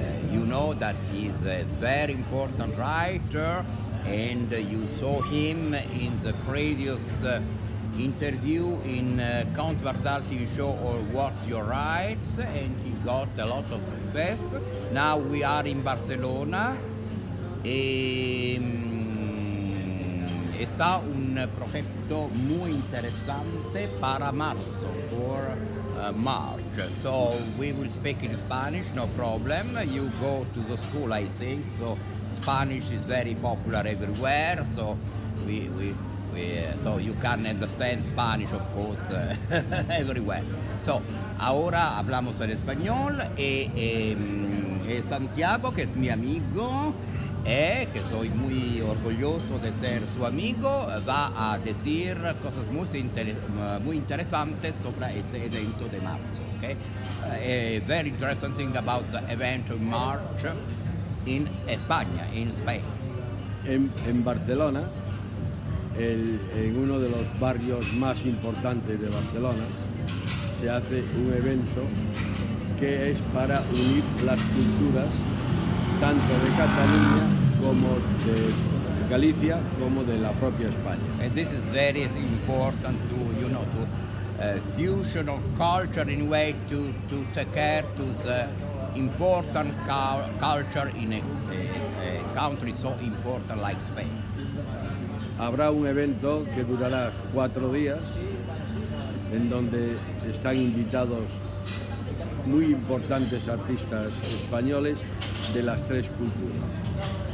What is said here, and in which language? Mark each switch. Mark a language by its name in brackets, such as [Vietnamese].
[English] You know that he's a very important writer, and you saw him in the previous interview in Count Vardal TV show or What's Your Rights, and he got a lot of success. Now we are in Barcelona. [Spanish] Está un proyecto muy interesante para marzo, [English] for March. So we will speak in Spanish, no problem. You go to the school, I think. So Spanish is very popular everywhere. So we so you can understand Spanish, of course, everywhere. [Spanish] So ahora hablamos en español. Y Santiago, que es mi amigo, que soy muy orgulloso de ser su amigo, va a decir cosas muy interesantes sobre este evento de marzo. [English] Okay? A very interesting thing about the event in March in España, in Spain. [Spanish] En Barcelona, en uno de los barrios más importantes de Barcelona, se hace un evento que es para unir las culturas tanto de Cataluña como de Galicia como de la propia España. [English] And this is very important to, you know, to fusion of culture in a way to take care to the important culture in a country so important like Spain. [Spanish] Habrá un evento que durará 4 días en donde están invitados muy importantes artistas españoles de las 3 culturas.